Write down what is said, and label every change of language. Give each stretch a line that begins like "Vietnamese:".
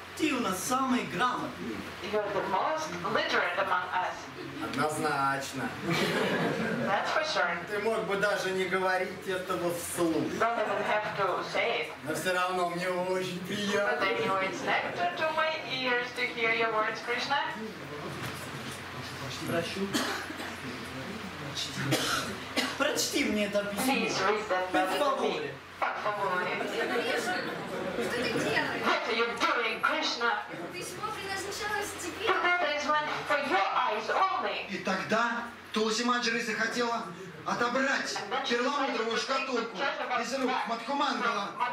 Russian: Ты у нас самый грамотный.
English: You're the most literate among us.
Russian: Однозначно.
English: That's for sure.
Russian: Ты мог бы даже не говорить этого вслух.
English: Don't even have to say it.
Russian: Но все равно мне очень приятно.
English: But then you know, it's nectar to my ears to hear your words, Krishna.
Russian: Прошу. Прочти мне это письмо.
English: Please read that letter to me. Подфаворе. What are you doing, Krishna? But that is meant for your eyes only.
Russian: И тогда Туласи Манджари захотела отобрать перламутровую шкатулку из рук Мадхумангала.